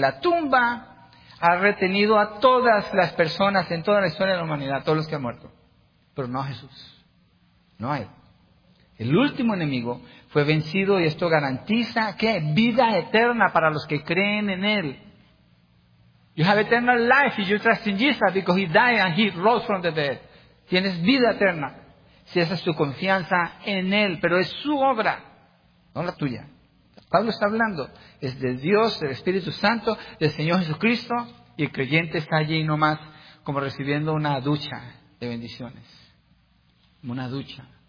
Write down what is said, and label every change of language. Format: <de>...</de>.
<es>La tumba ha retenido a todas las personas en toda la historia de la humanidad, a todos los que han muerto, pero no a Jesús, no a Él. El último enemigo fue vencido y esto garantiza que vida eterna para los que creen en Él.</es> <en>You have eternal life if you trust in Jesus because He died and He rose from the dead.</en> <es>Tienes vida eterna si esa es tu confianza en Él, pero es su obra, no la tuya. Pablo está hablando, es de Dios, del Espíritu Santo, del Señor Jesucristo, y el creyente está allí nomás como recibiendo una ducha de bendiciones. Una ducha.</es>